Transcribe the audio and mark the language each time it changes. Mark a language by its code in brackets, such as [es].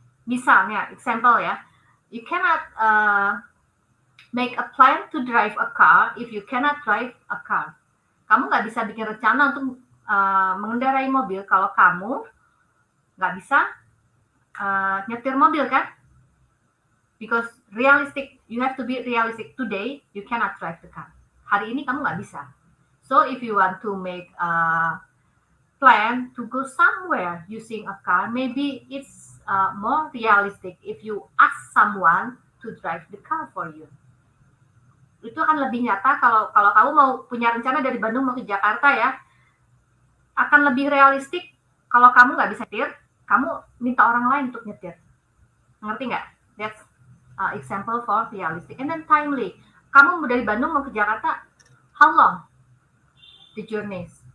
[id] Misalnya, [en] example ya, you cannot make a plan to drive a car if you cannot drive a car. [id] Kamu nggak bisa bikin rencana untuk mengendarai mobil kalau kamu nggak bisa nyetir mobil kan? [en] Because realistic, you have to be realistic today, you cannot drive the car. [id] Hari ini kamu nggak bisa. [en] So if you want to make a plan to go somewhere using a car, maybe it's more realistic if you ask someone to drive the car for you. [id] Itu akan lebih nyata kalau kamu mau punya rencana dari Bandung mau ke Jakarta ya. Akan lebih realistik kalau kamu nggak bisa nyetir, kamu minta orang lain untuk nyetir. Ngerti nggak? [en] That's example for realistic. And then timely. [id] Kamu dari Bandung mau ke Jakarta, [en] how long the journey?